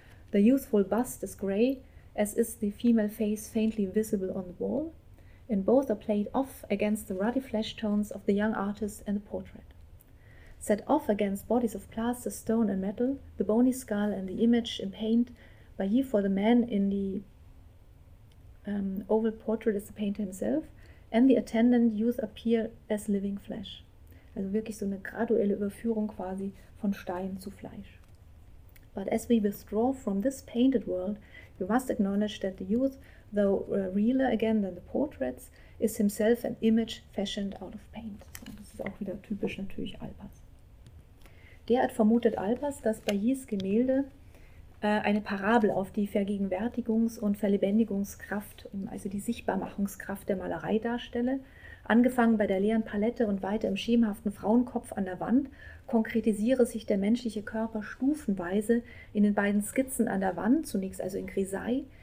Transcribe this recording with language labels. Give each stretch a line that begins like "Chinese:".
English: The youthful bust is gray, as is the female face faintly visible on the wall, and both are played off against the ruddy flesh tones of the young artist and the portrait. Set off against bodies of plaster, stone and metal, the bony skull and the image in paint, Bailly for the man in the oval portrait is the painter himself, and the attendant youth appear as living flesh.
German: Also wirklich so eine graduelle Überführung quasi von Stein zu Fleisch.
English: But as we withdraw from this painted world, we must acknowledge that the youth, though realer again than the portraits, is himself an image fashioned out of paint.
German: So, das ist auch wieder typisch natürlich Alpers. Derart vermutet Alpers, dass Bayis Gemälde eine Parabel auf die Vergegenwärtigungs- und Verlebendigungskraft, also die Sichtbarmachungskraft der Malerei darstelle, angefangen bei der leeren Palette und weiter im schemenhaften Frauenkopf an der Wand, konkretisiere sich der menschliche Körper stufenweise in den beiden Skizzen an der Wand, zunächst also in Grisaille,